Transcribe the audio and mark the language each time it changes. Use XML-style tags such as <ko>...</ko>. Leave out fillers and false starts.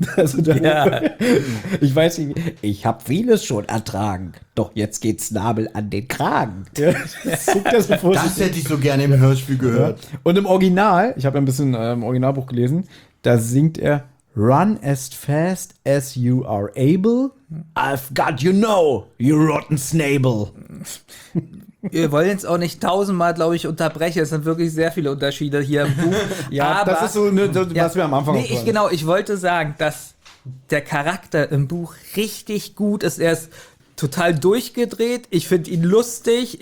<de>Also der Opa, ich weiß nicht, ich habe vieles schon ertragen. Doch jetzt geht Snabel an den Kragen. Das hätte ich so gerne im Hörspiel gehört. Und im Original, ich habe ein bisschen im Originalbuch gelesen, da singt er</de> <en>Run as fast as you are able. I've got you know, you rotten Snable.</en> <de>Wir wollen jetzt auch nicht tausendmal, glaube ich, unterbrechen. Es sind wirklich sehr viele Unterschiede hier im Buch. Ja, aber, das ist so, ne, so was wir am Anfang haben. Ich wollte sagen, dass der Charakter im Buch richtig gut ist. Er ist total durchgedreht. Ich finde ihn lustig.</de>